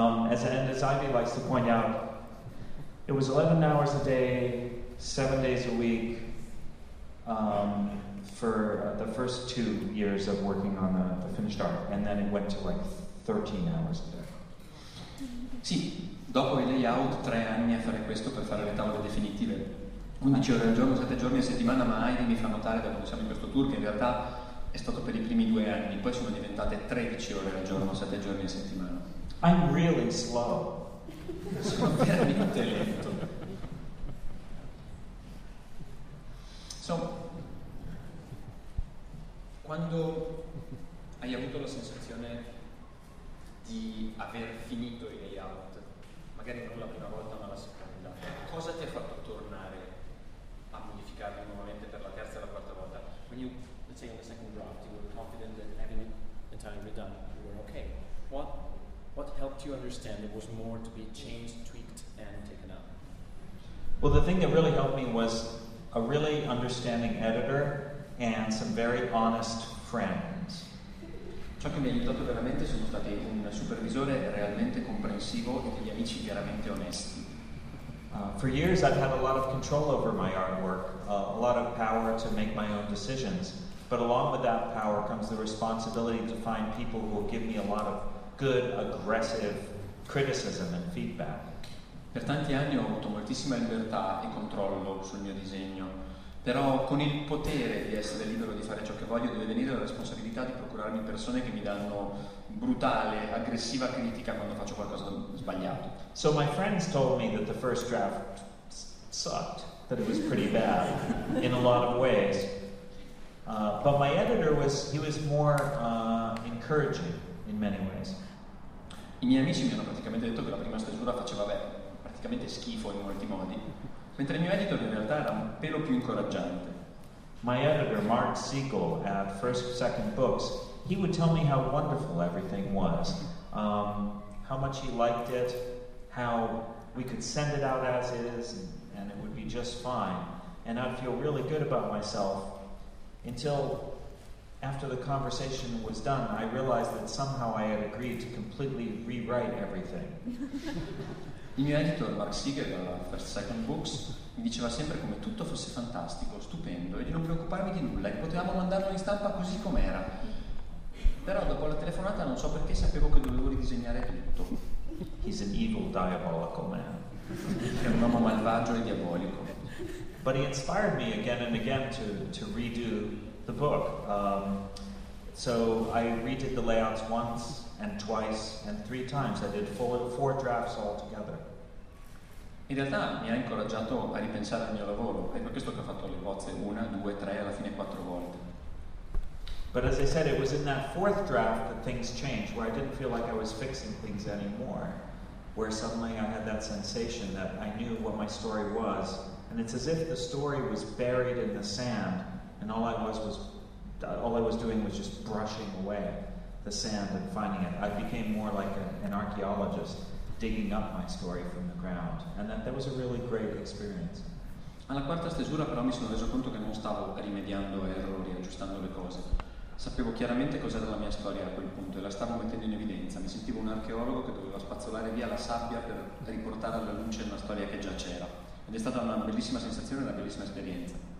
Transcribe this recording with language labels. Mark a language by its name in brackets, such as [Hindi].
[English] As Ivy likes to point out, it was 11 hours a day, 7 days a week, for the first 2 years of working on the finished art, and then it went to like 13 hours a day. [Italian] Sì, dopo il layout, 3 anni a fare questo per fare le tavole definitive. 11 ore al giorno, 7 giorni a settimana, ma Ivy mi fa notare da quando siamo in questo tour che in realtà è stato per i primi 2 anni, poi sono diventate 13 ore al giorno, 7 giorni a settimana. [English] I'm really slow. [Italian] Sono veramente lento. So, quando hai avuto la sensazione di aver finito il layout, magari non la prima volta ma la seconda, cosa ti ha fatto tornare a modificarlo nuovamente per la terza e la quarta volta? [English] When you, let's say on the second draft, you were confident that having it entirely redone, you were okay. What helped you understand it was more to be changed, tweaked, and taken out? Well, the thing that really helped me was a really understanding editor and some very honest friends. [Italian] Ciò che mi ha aiutato veramente sono stati un supervisore realmente comprensivo e degli amici veramente onesti. [English] For years I've had a lot of control over my artwork, a lot of power to make my own decisions, but along with that power comes the responsibility to find people who will give me a lot of good, aggressive criticism and feedback. [Italian] Per tanti anni ho avuto moltissima libertà e controllo sul mio disegno, però con il potere di essere libero di fare ciò che voglio deve venire la responsabilità di procurarmi persone che mi danno brutale, aggressiva critica quando faccio qualcosa sbagliato. [English] So my friends told me that the first draft sucked, that it was pretty bad in a lot of ways. But my editor was more encouraging in many ways. [Italian] I miei amici mi hanno praticamente detto che la prima stesura faceva bene, praticamente schifo in molti modi, mentre il mio editor in realtà era un pelo più incoraggiante. [English] My editor, Mark Siegel, at First Second Books, he would tell me how wonderful everything was, how much he liked it, how we could send it out as is, and it would be just fine. And I'd feel really good about myself until after the conversation was done, I realized that somehow I had agreed to completely rewrite everything. [Italian] Il mio editor, Mark Siegel, della First Second Books, mi diceva sempre come tutto fosse fantastico, stupendo, e di non preoccuparmi di nulla, che potevamo mandarlo in stampa così com'era. Però dopo la telefonata non so perché sapevo che dovevo ridisegnare tutto. [English] He's an evil, diabolical man. [Italian] È un uomo malvagio e diabolico. [English] But he inspired me again and again to redo the book. So I redid the layouts once and twice and three times. I did four drafts all together. [Italian] In realtà mi ha incoraggiato a ripensare al mio lavoro. È per questo che ho fatto le bozze una, due, tre, alla fine quattro volte. [English] But as I said, it was in that fourth draft that things changed, where I didn't feel like I was fixing things anymore, where suddenly I had that sensation that I knew what my story was. And it's as if the story was buried in the sand, and all I was doing was just brushing away the sand and finding it. I became more like an archaeologist, digging up my story from the ground, and that was a really great experience. [Italian] Alla quarta stesura però mi sono reso conto che non stavo rimediando errori, aggiustando le cose. Sapevo chiaramente cos'era la mia storia a quel punto e la stavo mettendo in evidenza. Mi sentivo un archeologo che doveva spazzolare via la sabbia per riportare alla luce una storia che già c'era. Ed è stata una bellissima sensazione e una bellissima esperienza.